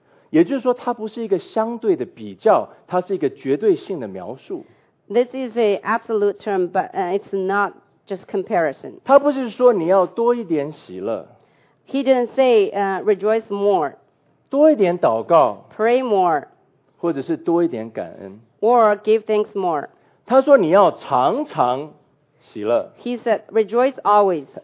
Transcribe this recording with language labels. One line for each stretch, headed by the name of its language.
Chinese: 也就是说，它不是一个相对的比较，它是一个绝对性的描述。
English: This is a absolute term, but it's not just comparison.
Chinese: 它不是说你要多一点喜乐。
English: He didn't say rejoice more.
Chinese: 多一点祷告。
English: Pray more.
Chinese: 或者是多一点感恩。
English: Or give thanks more.
Chinese: 他说你要常常喜乐。
English: He said rejoice always.